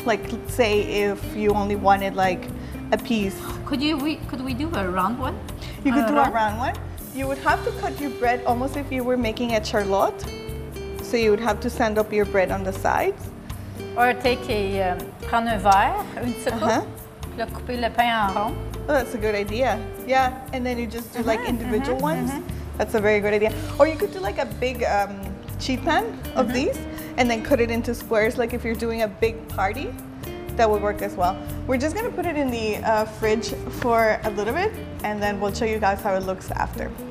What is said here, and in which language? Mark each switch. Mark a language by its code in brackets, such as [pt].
[en] Like, say if you only wanted like a piece. Could we do a round one? You could do a round one. You would have to cut your bread almost if you were making a charlotte. So you would have to stand up your bread on the sides. Or take a [fr] prendre un verre, une soupe, puis le couper le pain en rond. [en] Oh, that's a good idea. Yeah, and then you just do like individual ones. Mm-hmm. That's a very good idea. Or you could do like a big cheese pan of these and then cut it into squares, like if you're doing a big party, that would work as well. We're just gonna put it in the fridge for a little bit and then we'll show you guys how it looks after.